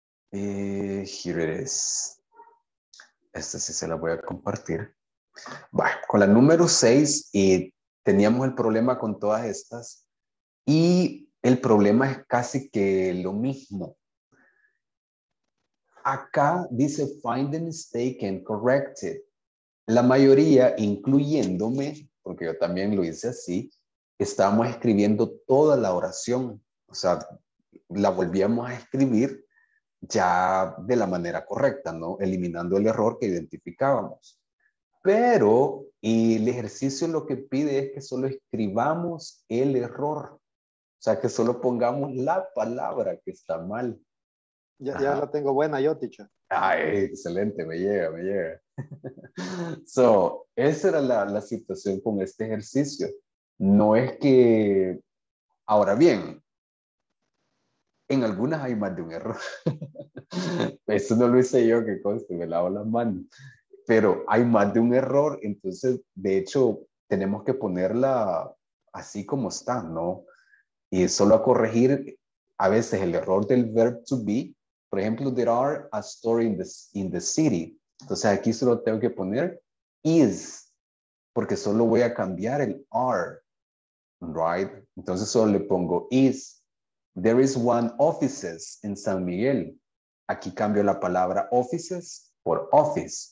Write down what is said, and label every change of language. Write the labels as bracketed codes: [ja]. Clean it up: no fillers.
[en] Here it is. [es] Esta sí se la voy a compartir. Bueno, con la número 6, teníamos el problema con todas estas. Y el problema es casi que lo mismo. Acá dice, [en] find the mistake and correct it. [es] La mayoría, incluyéndome, porque yo también lo hice así, estábamos escribiendo toda la oración. O sea, la volvíamos a escribir ya de la manera correcta, ¿no? Eliminando el error que identificábamos. Pero el ejercicio lo que pide es que solo escribamos el error. O sea, que solo pongamos la palabra que está mal. Ya la tengo buena yo, teacher. Ay, excelente, me llega. So, esa era la situación con este ejercicio. No es que, ahora bien, en algunas hay más de un error. Eso no lo hice yo, que conste, me lavo las manos. Pero hay más de un error, entonces, de hecho, tenemos que ponerla así como está, ¿no? Y solo a corregir a veces el error del verb to be. Por ejemplo, [en] there are a store in the city. [es] Entonces aquí solo tengo que poner is, porque solo voy a cambiar el are, right? Entonces solo le pongo [en] is. There is one offices in San Miguel. [es] Aquí cambio la palabra offices por office.